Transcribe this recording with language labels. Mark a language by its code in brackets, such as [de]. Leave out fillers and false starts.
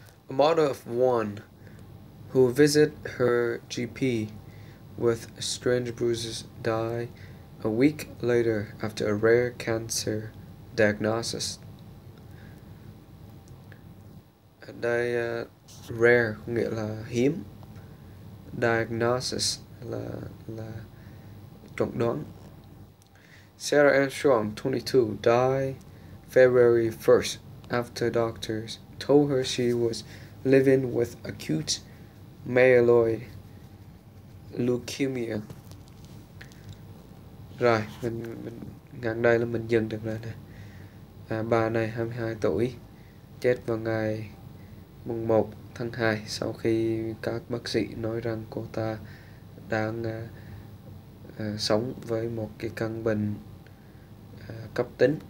[en] A mother of one who visited her GP with strange bruises died a week later after a rare cancer diagnosis. [vi] Ở đây rare có nghĩa là hiếm. Diagnosis là chẩn đoán. [en] Sarah Armstrong, 22, died February 1st after doctors told her she was living with acute myeloid leukemia. [vi] Rồi, mình ngang đây là mình dừng được rồi nè. Bà này 22 tuổi, chết vào ngày mùng 1 tháng 2 sau khi các bác sĩ nói rằng cô ta đang sống với một cái căn bệnh cấp tính.